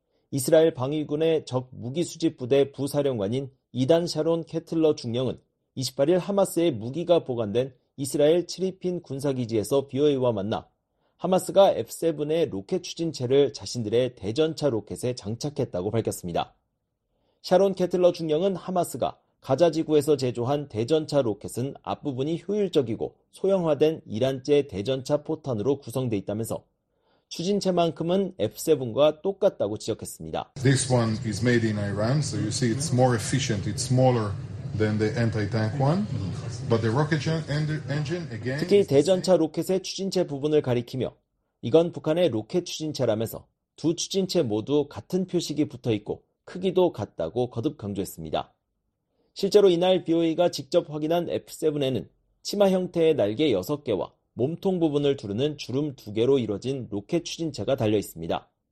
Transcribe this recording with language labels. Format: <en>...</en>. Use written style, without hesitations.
<ko>이스라엘 방위군의 적 무기 수집 부대 부사령관인 이단 샤론 케틀러 중령은 28일 하마스의 무기가 보관된 이스라엘 치리핀 군사기지에서 BOA와 만나 하마스가 F-7의 로켓 추진체를 자신들의 대전차 로켓에 장착했다고 밝혔습니다. 샤론 케틀러 중령은 하마스가 가자지구에서 제조한 대전차 로켓은 앞부분이 효율적이고 소형화된 이란제 대전차 포탄으로 구성돼 있다면서 추진체만큼은 F-7과 똑같다고 지적했습니다.</ko> <en>This one is made in Iran, so you see it's more efficient, it's smaller than the anti-tank one. But the rocket engine again.</en> <ko>특히 대전차 로켓의 추진체 부분을 가리키며 이건 북한의 로켓 추진체라면서 두 추진체 모두 같은 표식이 붙어 있고 크기도 같다고 거듭 강조했습니다. 실제로 이날 BOA가 직접 확인한 F-7에는 치마 형태의 날개 6개와 몸통 부분을 두르는 주름 2개로 이뤄진 로켓 추진체가 달려있습니다.</ko>